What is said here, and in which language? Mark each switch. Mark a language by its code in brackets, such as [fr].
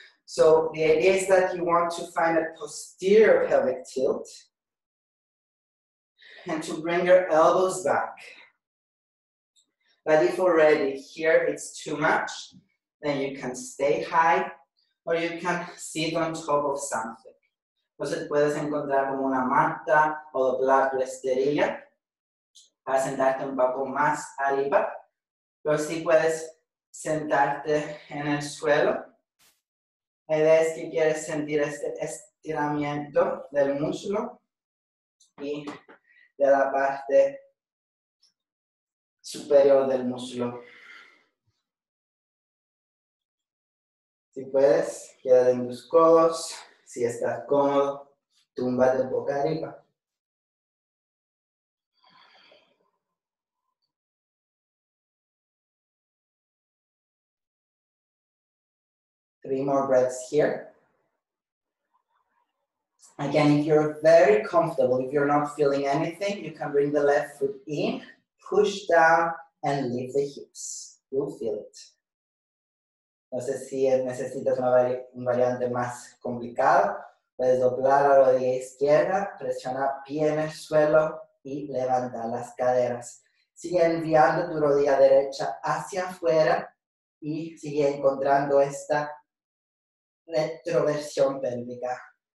[en] So the idea is that you want to find a posterior pelvic tilt and to bring your elbows back. But if already here it's too much, then you can stay high or you can sit on top of something. [es] Entonces puedes encontrar como una manta o doblar tu esterilla para sentarte un poco más arriba. Pero sí puedes sentarte en el suelo. La idea es que quieres sentir este estiramiento del muslo y de la parte superior del muslo. Si puedes, quédate en tus codos. Si estás cómodo, túmbate boca arriba. [en] Three more breaths here. Again, if you're very comfortable, if you're not feeling anything, you can bring the left foot in, push down, and lift the hips. You'll feel it. [es] No sé si necesitas una variante más complicada. Puedes doblar la rodilla izquierda, presionar pie en el suelo y levantar las caderas. Sigue enviando tu rodilla derecha hacia afuera y sigue encontrando esta retroversión pélvica.